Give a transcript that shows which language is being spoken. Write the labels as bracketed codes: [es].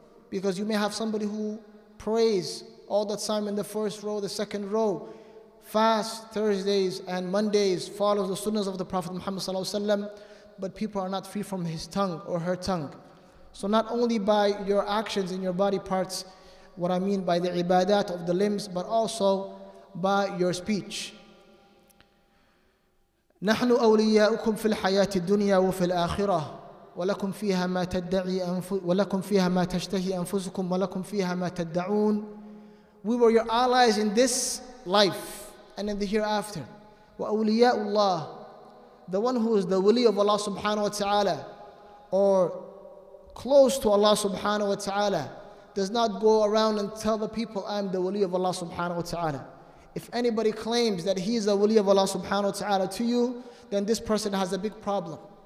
[en] Because you may have somebody who prays all the time in the first row, the second row, fast Thursdays and Mondays, follows the sunnahs of the Prophet Muhammad sallallahu alaihi wasallam, but people are not free from his tongue or her tongue. So not only by your actions in your body parts, what I mean by the ibadat of the limbs, but also by your speech. [ar] نَحْنُ أَوْلِيَاؤُكُمْ فِي الْحَيَاةِ الدُّنْيَا وَفِي الْآخِرَةِ وَلَكُمْ فِيهَا مَا تَشْتَهِي أَنفُسُكُمْ وَلَكُمْ فِيهَا مَا تَدَّعُونَ [en] We were your allies in this life and in the hereafter. Allah, the one who is the wali of Allah subhanahu wa ta'ala, or close to Allah subhanahu wa ta'ala, does not go around and tell the people, I'm the wali of Allah subhanahu wa ta'ala. If anybody claims that he is a wali of Allah subhanahu wa ta'ala to you, then this person has a big problem.